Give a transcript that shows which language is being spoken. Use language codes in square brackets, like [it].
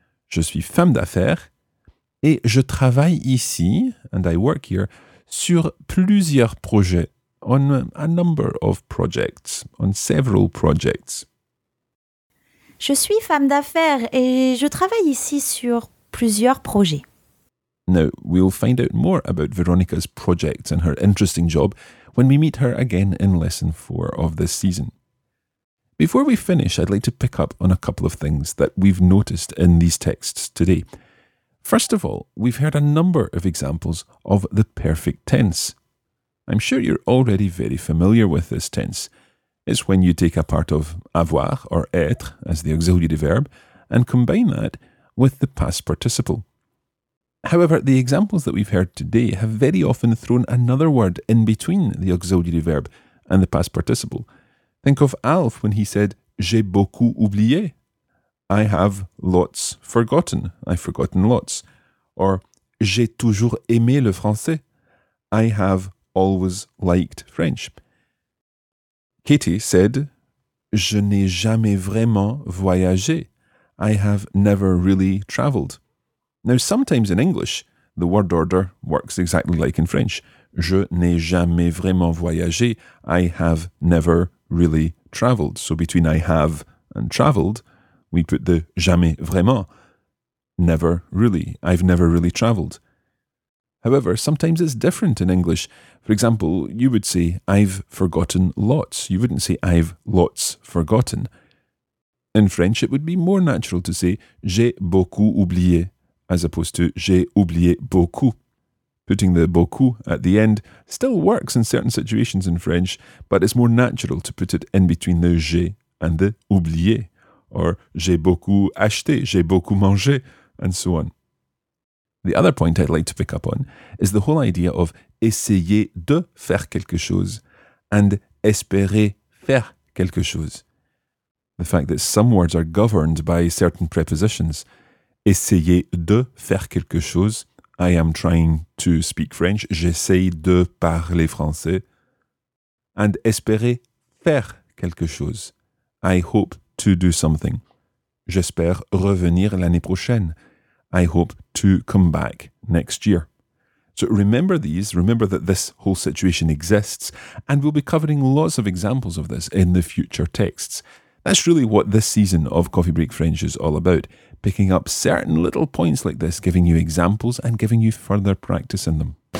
[fr] Je suis femme d'affaires et je travaille ici, [en] and I work here, [fr] sur plusieurs projets, [en] on a number of projects, on several projects. [fr] Je suis femme d'affaires et je travaille ici sur plusieurs projets. [en] Now, we'll find out more about Veronica's projects and her interesting job when we meet her again in lesson 4 of this season. Before we finish, I'd like to pick up on a couple of things that we've noticed in these texts today. First of all, we've heard a number of examples of the perfect tense. I'm sure you're already very familiar with this tense. It's when you take a part of avoir or être as the auxiliary verb and combine that with the past participle. However, the examples that we've heard today have very often thrown another word in between the auxiliary verb and the past participle. Think of Alf when he said, [fr] j'ai beaucoup oublié. [en] I have lots forgotten. I've forgotten lots. [fr] Or, j'ai toujours aimé le français. [en] I have always liked French. Katie said, [fr] je n'ai jamais vraiment voyagé. [en] I have never really travelled. Now, sometimes in English, the word order works exactly like in French. [fr] Je n'ai jamais vraiment voyagé. [en] I have never really travelled. So between I have and travelled, we put the [fr] jamais vraiment. [en] Never really. I've never really travelled. However, sometimes it's different in English. For example, you would say I've forgotten lots. You wouldn't say I've lots forgotten. In French, it would be more natural to say [fr] j'ai beaucoup oublié, [en] as opposed to [fr] j'ai oublié beaucoup. [en] Putting the beaucoup at the end still works in certain situations in French, but it's more natural to put it in between the j'ai and the oublié, or [fr] j'ai beaucoup acheté, j'ai beaucoup mangé, [en] and so on. The other point I'd like to pick up on is the whole idea of [fr] essayer de faire quelque chose [en] and [fr] espérer faire quelque chose. [en] The fact that some words are governed by certain prepositions. [fr] Essayer de faire quelque chose. [en] I am trying to speak French. [fr] J'essaye de parler français. And espérer faire quelque chose. [en] I hope to do something. [fr] J'espère revenir l'année prochaine. [en] I hope to come back next year. So remember these, remember that this whole situation exists, and we'll be covering lots of examples of this in the future texts. That's really what this season of Coffee Break French is all about, picking up certain little points like this, giving you examples and giving you further practice in them.